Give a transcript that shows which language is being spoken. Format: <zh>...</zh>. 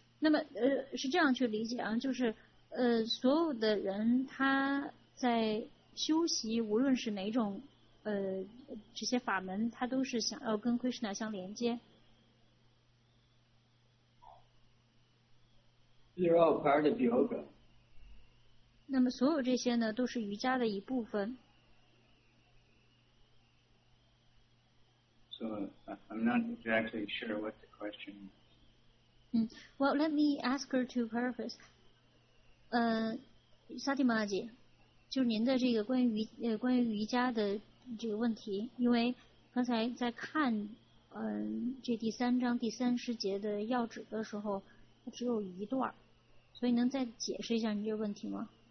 <zh>那么是这样去理解啊，就是所有的人他在修习，无论是哪种这些法门，他都是想要跟 Krishna 相连接。</zh> <en>They're all part of yoga.</en> <zh>那么所有这些呢都是瑜伽的一部分。</zh> <en>So, I'm not exactly sure what the question is. Well, let me ask her to preface.</en> <zh>Sati Maji, 就您的这个关于瑜伽的这个问题，因为刚才在看这第三章第三十节的要旨的时候它只有一段，所以能再解释一下您这个问题吗？</zh>